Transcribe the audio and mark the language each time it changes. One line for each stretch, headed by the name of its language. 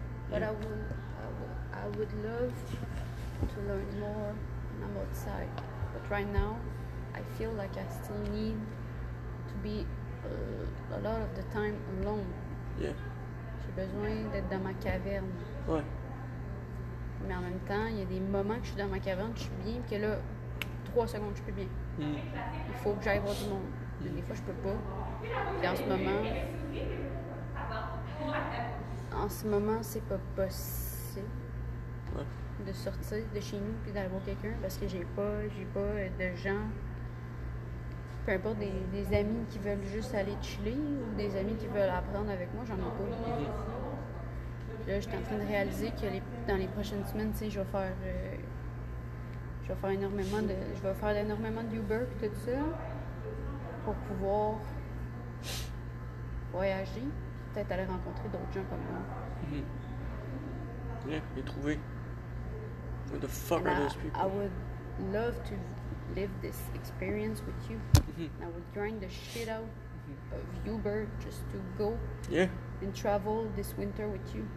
English: But I would love to learn more when I'm outside. But right now, I feel like I still need to be a lot of the time alone. Yeah.
French: J'ai besoin d'être dans ma caverne. Ouais. Mais en même temps, il y a des moments que je suis dans ma caverne, je suis bien, puis que là, 3 secondes, je suis plus bien. Il faut que j'aille voir du monde. Mais des fois, je peux pas. Puis en ce moment. En ce moment, c'est pas possible de sortir de chez nous puis d'aller voir quelqu'un parce que j'ai pas de gens, peu importe des amis qui veulent juste aller chiller ou des amis qui veulent apprendre avec moi, j'en ai pas. Là, j'étais en train de réaliser que dans les prochaines semaines, tu sais, je vais faire énormément de Uber et tout ça pour pouvoir voyager. Peut-être aller rencontrer d'autres gens comme moi.
English: Yeah,
French: les trouver.
English: Where the fuck are those people? I would love to live this experience with you. I would grind the shit out of Uber just to go and travel this winter with you.